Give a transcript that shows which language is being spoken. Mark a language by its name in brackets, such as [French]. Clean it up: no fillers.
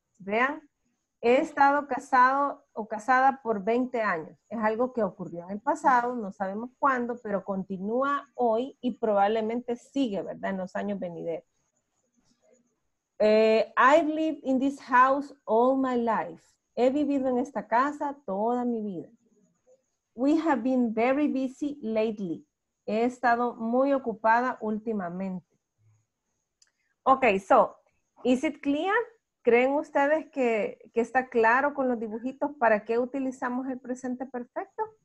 [Spanish] Vean, he estado casado o casada por 20 años. Es algo que ocurrió en el pasado, no sabemos cuándo, pero continúa hoy y probablemente sigue, ¿verdad? En los años venideros. [English] I've lived in this house all my life. [Spanish] He vivido en esta casa toda mi vida. [English] We have been very busy lately. [Spanish] He estado muy ocupada últimamente. [English] Okay, so, is it clear? [Spanish] ¿Creen ustedes que está claro con los dibujitos para qué utilizamos el presente perfecto?